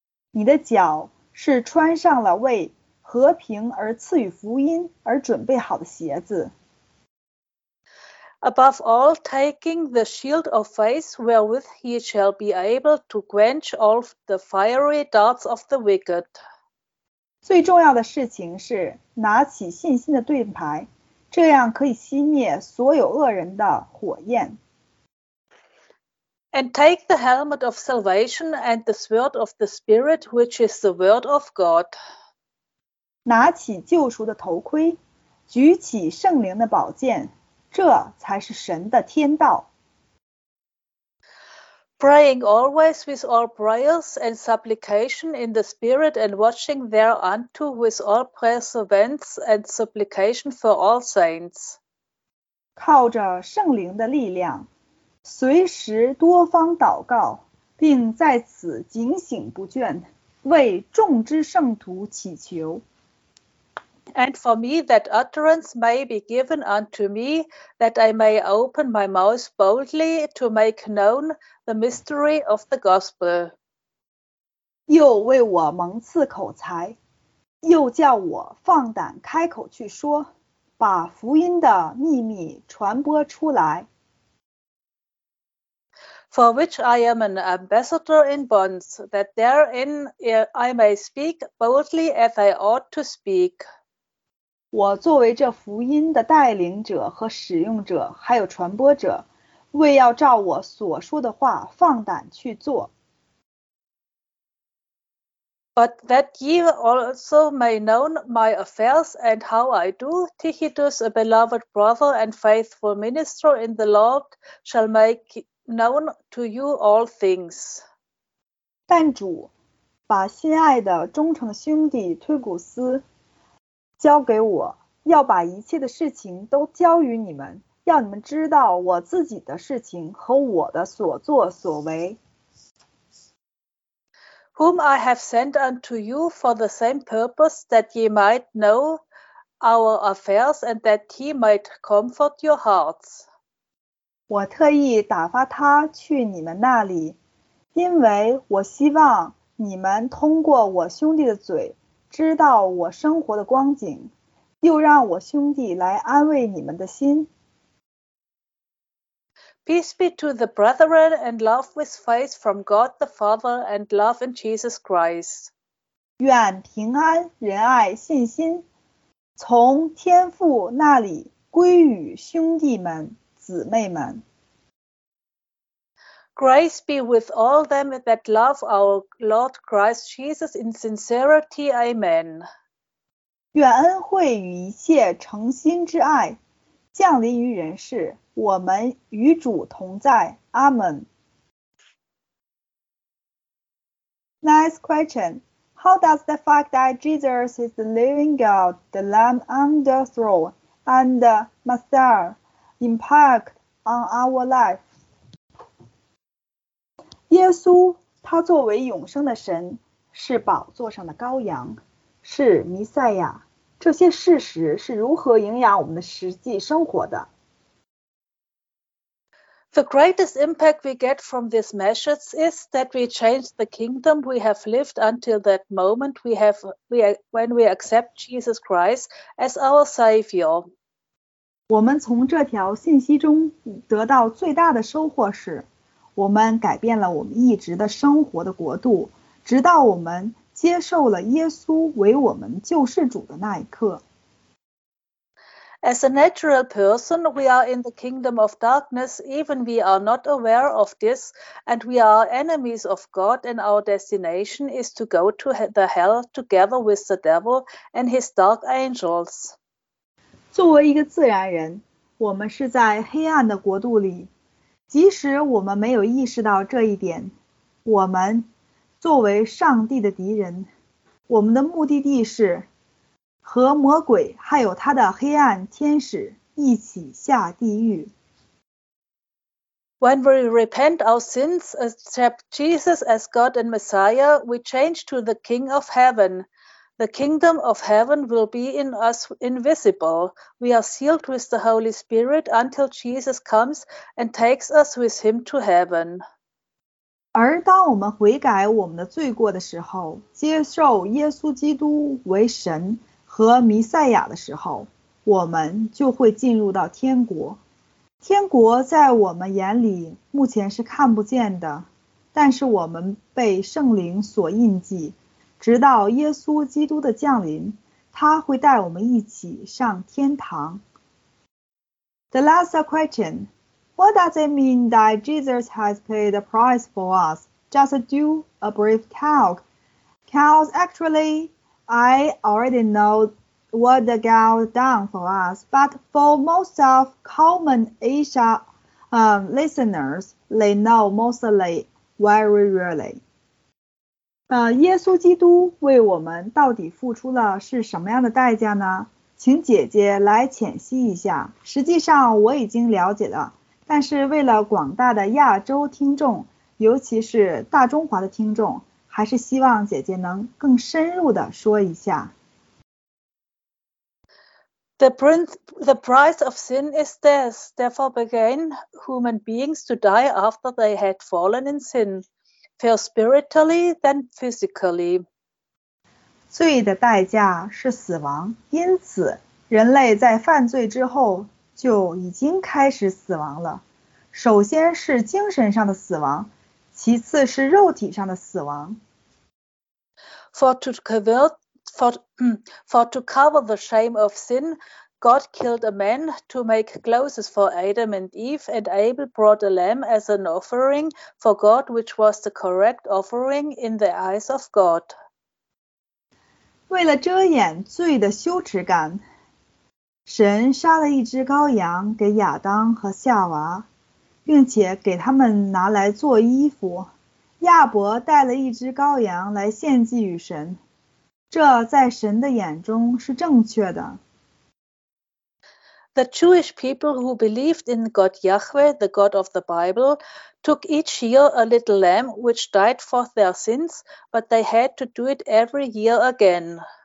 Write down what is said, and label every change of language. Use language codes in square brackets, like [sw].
[zh] 你的脚是穿上了为和平而赐予福音而准备好的鞋子。 [en] Above all, taking the shield of faith wherewith ye shall be able to quench all the fiery darts of the wicked. [zh] 最重要的事情是拿起信心的盾牌，这样可以熄灭所有恶人的火焰。 [en] And take the helmet of salvation and the sword of the Spirit, which is the word of God. [zh] 拿起救赎的头盔，举起圣灵的宝剑，这才是神的天道。 [en] Praying always with all prayers and supplication in the Spirit, and watching thereunto with all perseverance and supplication for all saints. [zh] 靠着圣灵的力量，随时多方祷告，并在此警醒不倦，为众之圣徒祈求。 [en] And for me, that utterance may be given unto me, that I may open my mouth boldly to make known the mystery of the gospel. [zh] 又为我蒙赐口才，又叫我放胆开口去说，把福音的秘密传播出来。 [en] For which I am an ambassador in bonds, that therein I may speak boldly as I ought to speak. [zh] 我作为这福音的带领者和使用者，还有传播者，为要照我所说的话放胆去做。 [en] But that ye also may know my affairs and how I do, Tychicus, a beloved brother and faithful minister in the Lord, shall make known to you all things. [zh] 但主把心爱的忠诚兄弟推古斯交给我，要把一切的事情都交于你们，要你们知道我自己的事情和我的所作所为。 [en] Whom I have sent unto you for the same purpose, that ye might know our affairs and that he might comfort your hearts. [zh] 我特意打发他去你们那里，因为我希望你们通过我兄弟的嘴知道我生活的光景，又让我兄弟来安慰你们的心。 [en] Peace be to the brethren and love with faith from God the Father and love in Jesus Christ. [zh] 愿平安、仁爱、信心从天父那里归于兄弟们、姊妹们。 [en] Grace be with all them that love our Lord Christ Jesus in sincerity. Amen. [zh] 愿恩惠与一切诚心之爱降临于人世，我们与主同在。阿门。 [en] Nice question. How does the fact that Jesus is the living God, the Lamb on the throne, and the Messiah impact on our life? [zh] 耶稣，他作为永生的神，是宝座上的羔羊，是弥赛亚。这些事实是如何影响我们的实际生活的？ [en] The greatest impact we get from this message is that we change the kingdom we have lived until that moment when we accept Jesus Christ as our Savior. [zh] 我们从这条信息中得到最大的收获是，我们改变了我们一直的生活的国度，直到我们接受了耶稣为我们救世主的那一刻。 [en] As a natural person, we are in the kingdom of darkness, even we are not aware of this, and we are enemies of God, and our destination is to go to the hell together with the devil and his dark angels. [zh] 作为一个自然人，我们是在黑暗的国度里，即使我们没有意识到这一点，我们作为上帝的敌人，我们的目的地是和魔鬼还有他的黑暗天使一起下地狱。 [en] When we repent our sins, accept Jesus as God and Messiah, we change to the King of Heaven. The kingdom of heaven will be in us invisible. We are sealed with the Holy Spirit until Jesus comes and takes us with him to heaven. [zh] 而当我们悔改我们的罪过的时候，接受耶稣基督为神和弥赛亚的时候，我们就会进入到天国。天国在我们眼里目前是看不见的，但是我们被圣灵所印记，直到耶稣基督的降临，他会带我们一起上天堂。 [en] The last question. What does it mean that Jesus has paid the price for us? Just do a brief talk. Because actually, I already know what the God done for us. But for most of common Asia listeners, they know mostly very rarely. [zh] 耶稣基督为我们到底付出了是什么样的代价呢？请姐姐来浅析一下。实际上我已经了解了。但是为了广大的亚洲听众，尤其是大中华的听众，还是希望姐姐能更深入的说一下。 [en] The price of sin is death. Therefore began human beings to die after they had fallen in sin, first spiritually, then physically. [zh] 罪的代价是死亡，因此人类在犯罪之后就已经开始死亡了，首先是精神上的死亡，其次是肉体上的死亡。 [en] For to cover the shame of sin, God killed a man to make clothes for Adam and Eve, and Abel brought a lamb as an offering for God, which was the correct offering in the eyes of God. [zh] 为了遮掩罪的羞耻感，神杀了一只羔羊给亚当和夏娃，并且给他们拿来做衣服，亚伯带了一只羔羊来献祭与神，这在神的眼中是正确的。 [en] The Jewish people who believed in God Yahweh, the God of the Bible, took each year a little lamb which died for their sins, but they had to do it every year again.